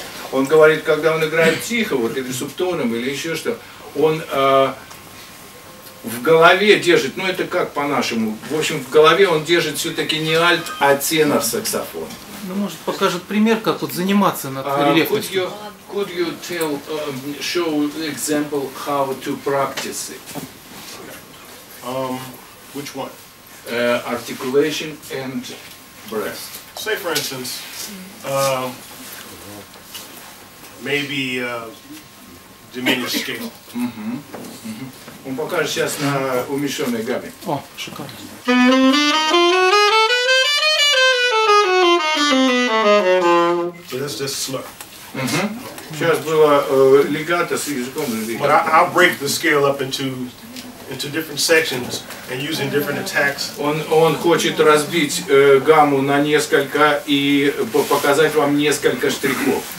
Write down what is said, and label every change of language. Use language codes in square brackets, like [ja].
[ru] Он говорит, когда он играет тихо, вот или субтоном, или еще что, он в голове держит, ну это как по-нашему, в общем, в голове он держит все-таки не альт, а тенор саксофона. Ну, может, покажет пример, как вот заниматься над релефностью. [en] Could you tell, show example how to practice it? Which one? Articulation and breath. Say, for instance, maybe diminished scale. Mm-hmm. Mm-hmm. [ru] Он покажет сейчас на уменьшенной гамме. О, шикарно. [en] So that's just slur. Mm-hmm. [ru] Сейчас было легато с языком. [en] But I'll break the scale up into different sections and using different attacks. [ru] Он хочет разбить гамму на несколько и показать вам несколько штрихов.